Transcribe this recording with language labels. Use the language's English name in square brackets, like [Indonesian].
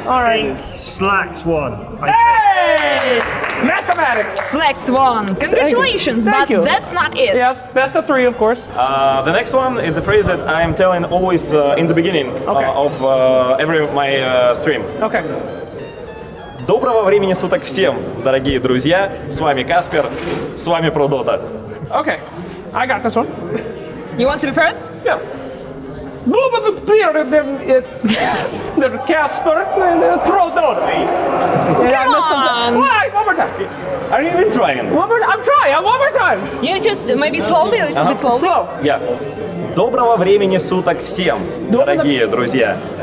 [English] Alright. Slex won. Hey! Mathematics! Slex won. Congratulations! Thank you. But that's not it. Yes, best of three, of course. The next one is a phrase that I'm telling always in the beginning of every my stream. Okay. [Russian] Доброго времени суток всем, дорогие друзья. С вами Каспер, с вами ProDota. [English] Okay. I got this one. You want to be first? Yeah. Blue the beer them the Casper and Pro Dot. Come on! Why? One more time. Are you even trying? One more time. I'm trying, one more time! You just maybe slowly, a little bit slowly. Slow. Yeah. [Russian] Доброго времени суток всем, дорогие друзья.